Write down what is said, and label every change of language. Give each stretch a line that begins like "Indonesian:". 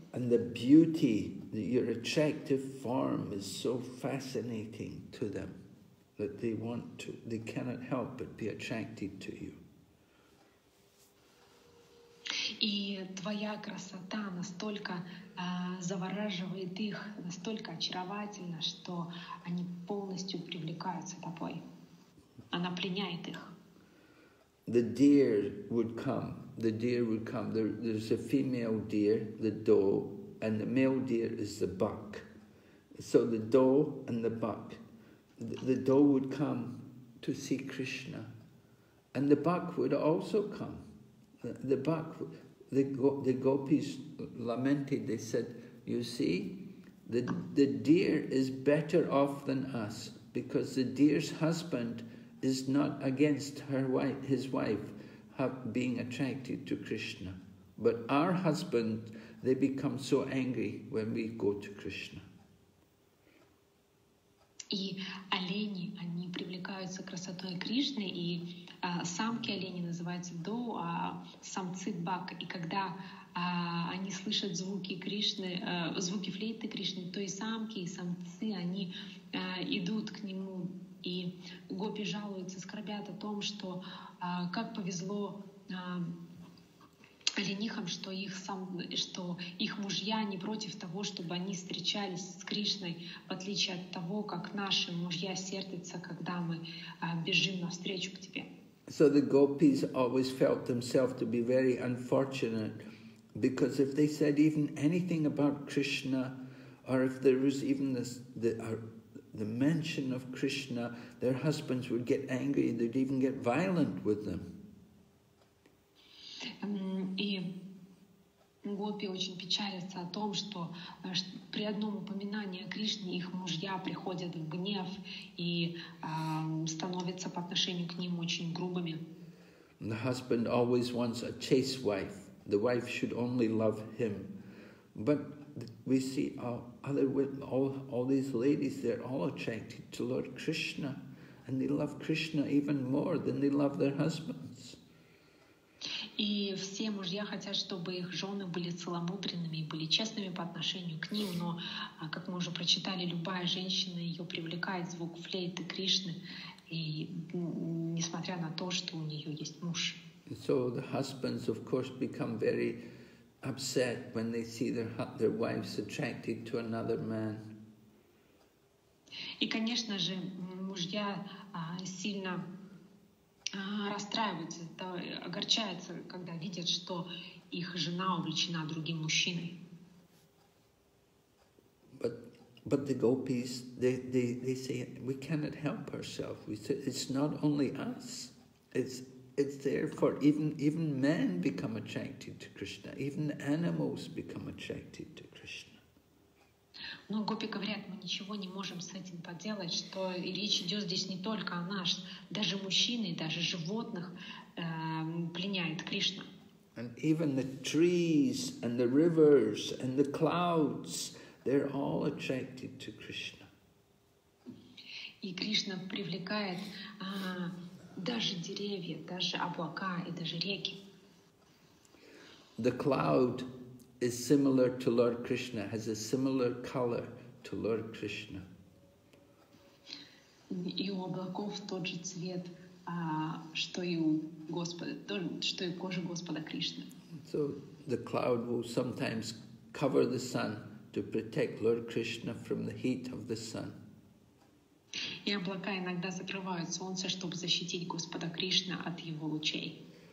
English: And the beauty, your attractive form is so fascinating to them that they cannot help but be attracted to you.
Russian: И твоя красота настолько завораживает их, настолько очаровательна, что они полностью привлекаются тобой. Она пленяет их.
English: The deer would come. The deer would come. There's a female deer, the doe, and the male deer is the buck. So the doe and the buck. The doe would come to see Krishna. And the buck would also come. The gopis lamented, they said, you see, the deer is better off than us because the deer's husband is not against his wife being attracted to Krishna. But our husband, they become so angry when we go to Krishna.
Russian: И олени, они привлекаются красотой Кришны, и самки оленей называются доу, а самцы — бак. И когда они слышат звуки Кришны, звуки флейты Кришны, то и самки, и самцы, они идут к нему. И гопи жалуются, скорбят о том, что как повезло оленихам, что их мужья не против того, чтобы они встречались с Кришной, в отличие от того, как наши мужья сердятся, когда мы бежим навстречу к тебе.
English: So the gopis always felt themselves to be very unfortunate, because if they said even anything about Krishna, or if there was even the mention of Krishna, their husbands would get angry, they'd even get violent with them.
Russian: И гопи очень печалятся о том, что при одном упоминании о Кришне их мужья приходят в гнев и становятся по отношению к ним очень грубыми.
English: The husband always wants a chaste wife. The wife should only love him. But we see all these ladies, they're all attracted to Lord Krishna, and they love Krishna even more than they love their husbands.
Russian: И все мужья хотят, чтобы их жены были целомудренными и были честными по отношению к ним, но, как мы уже прочитали, любая женщина, ее привлекает звук флейты Кришны, и, несмотря на то, что у нее есть муж.
English: So the husbands, of course, become very upset when they see their wives attracted to another man.
Russian: И, конечно же, мужья сильно расстраиваются, огорчаются, когда видят, что их жена увлечена другим мужчиной.
English: But the gopis, they say, we cannot help ourselves. We say, it's not only us. It's therefore even men become attracted to Krishna. Even animals become attracted to Krishna.
Russian: Но гопи говорят, мы ничего не можем с этим поделать, что речь идет здесь не только о нас, даже мужчины, даже животных пленяет Кришна.
English: And even the trees and the rivers and the clouds, they're all attracted to Krishna.
Russian: И Кришна привлекает даже деревья, даже облака и даже реки.
English: The cloud is similar to Lord Krishna, has a similar color to Lord Krishna.
Russian: И у облаков тот же цвет, что и у Господа, что и кожа Господа Кришны.
English: So the cloud will sometimes cover the sun to protect Lord Krishna from the heat of the sun.
Russian: И облака иногда закрывают солнце, чтобы защитить Господа Кришна от его лучей.